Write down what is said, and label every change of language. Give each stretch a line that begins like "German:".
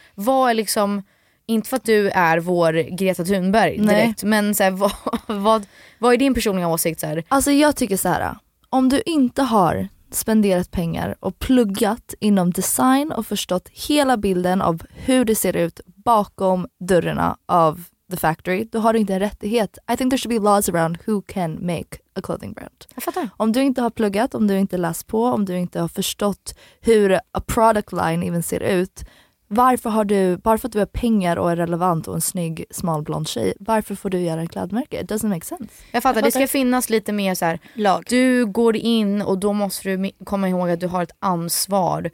Swedish: Vad är liksom, inte för att du är vår Greta Thunberg direkt, men så här, vad är din personliga åsikt? Så här? Alltså jag tycker så här, om du inte har spenderat pengar och pluggat inom design och förstått hela bilden av hur det ser ut bakom dörrarna av
English: the factory,
Swedish: då har du inte en rättighet.
English: I think there should be laws around who can make a clothing brand.
Swedish: Jag fattar. Om du inte har pluggat, om du inte läst på, om du inte har förstått hur
English: a product line even
Swedish: ser ut, Varför har du, bara för att du har pengar och är relevant och en snygg, smal, blond tjej, varför får du göra en klädmärke?
English: It doesn't make sense.
Swedish: Jag fattar, det ska finnas lite mer så här, lag. Du går in och då måste du komma ihåg att du har ett ansvar.